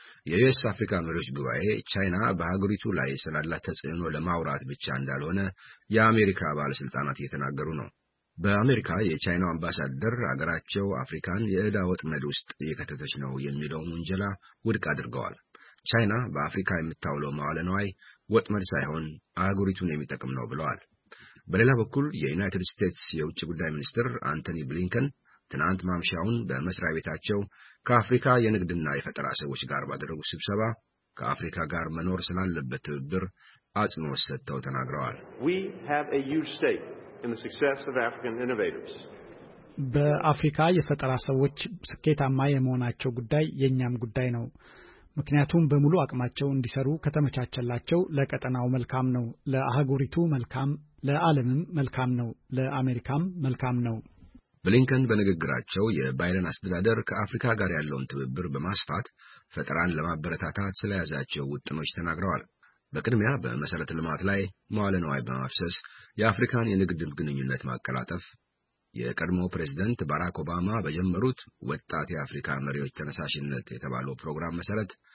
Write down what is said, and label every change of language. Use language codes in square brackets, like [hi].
[am] የዩኤስ አፍሪካ መሪዎች ጉባኤ ቻይና በአህጉሪቱ ላይ ስላላት ተጽዕኖ ለማውራት ብቻ እንዳልሆነ የአሜሪካ ባለስልጣናት እየተናገሩ ነው። በአሜሪካ የቻይናው አምባሳደር አገራቸው አፍሪካን የዕዳ ወጥመድ ውስጥ እየከተተች ነው የሚለውን ውንጀላ ውድቅ አድርገዋል። ቻይና በአፍሪካ የምታውለው መዋለ ንዋይ ወጥመድ ሳይሆን አህጉሪቱን የሚጠቅም ነው ብለዋል። በሌላ በኩል የዩናይትድ ስቴትስ የውጭ ጉዳይ ሚኒስትር አንቶኒ ብሊንከን ትናንት ማምሻውን በመስሪያ ቤታቸው ከአፍሪካ የንግድና የፈጠራ ሰዎች ጋር ባደረጉት ስብሰባ ከአፍሪካ ጋር መኖር ስላለበት ትብብር አጽንኦት ሰጥተው ተናግረዋል። [en] We have a huge stake in the success of African innovators. [am] በአፍሪካ የፈጠራ ሰዎች ስኬታማ የመሆናቸው ጉዳይ የኛም ጉዳይ ነው። ምክንያቱም በሙሉ አቅማቸው እንዲሰሩ ከተመቻቸላቸው ለቀጠናው መልካም ነው፣ ለአህጉሪቱ መልካም፣ ለዓለምም መልካም ነው፣ ለአሜሪካም መልካም ነው። ብሊንከን በንግግራቸው የባይደን አስተዳደር ከአፍሪካ ጋር ያለውን ትብብር በማስፋት ፈጠራን ለማበረታታት ስለያዛቸው ውጥኖች ተናግረዋል። በቅድሚያ በመሰረተ ልማት ላይ መዋለ ንዋይ በማፍሰስ የአፍሪካን የንግድ ግንኙነት ማቀላጠፍ የቀድሞ ፕሬዝደንት ባራክ ኦባማ በጀመሩት ወጣት የአፍሪካ መሪዎች ተነሳሽነት የተባለው ፕሮግራም መሰረት